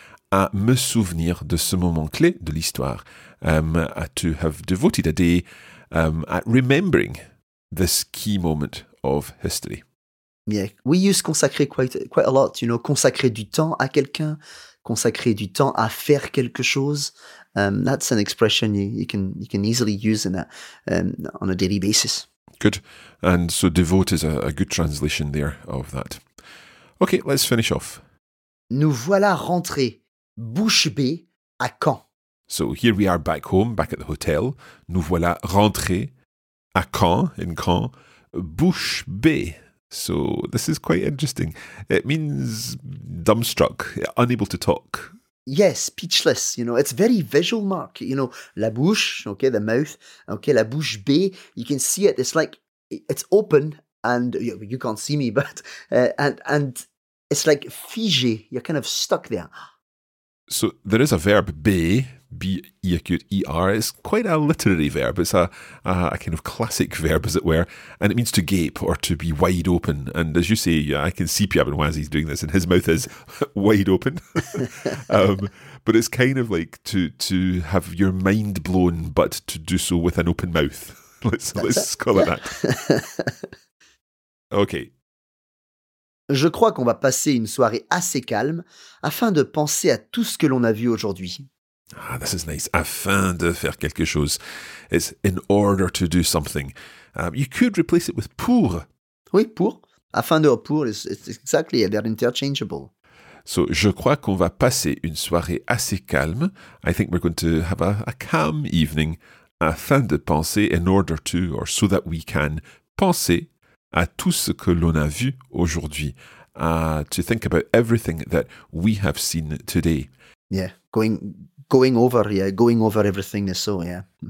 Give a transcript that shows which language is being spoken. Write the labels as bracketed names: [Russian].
[French] À me souvenir de ce moment clé de l'histoire. [English] To have devoted a day at remembering this key moment of history. Yeah. We use consacrer quite a lot, you know, [French] consacrer du temps à quelqu'un, consacrer du temps à faire quelque chose. [English] That's an expression you can easily use in on a daily basis. Good. And so devote is a good translation there of that. Okay, let's finish off. [French] Nous voilà rentrés, bouche bée, à Caen. [English] So here we are back home, back at the hotel. [French] Nous voilà rentrés à Caen, [English] in Caen, [French] bouche bée. [English] So this is quite interesting. It means dumbstruck, unable to talk. Yes, speechless, you know. It's very visual, Mark. You know, la bouche, okay, the mouth, okay, la bouche B. You can see it. It's like, it's open and you can't see me, but, and it's like figé. You're kind of stuck there. So there is a verb B, B-E-acute-E-R. It's quite a literary verb. It's a kind of classic verb, as it were. And it means to gape or to be wide open. And as you say, yeah, I can see Pierre Benoise, he's doing this, and his mouth is wide open. but it's kind of like to have your mind blown, but to do so with an open mouth. Let's call it that. Okay. [French] Je crois qu'on va passer une soirée assez calme afin de penser à tout ce que l'on a vu aujourd'hui. [English] Ah, this is nice. [French] Afin de faire quelque chose. [English] It's in order to do something. You could replace it with pour. [French] Oui, pour. Afin de, pour. [English] It's exactly, they're interchangeable. [French] So, je crois qu'on va passer une soirée assez calme. [English] I think we're going to have a calm evening. [French] Afin de penser, [English] in order to, or so that we can, [French] penser à tout ce que l'on a vu aujourd'hui. [English] To think about everything that we have seen today. Yeah, going over everything they saw, yeah.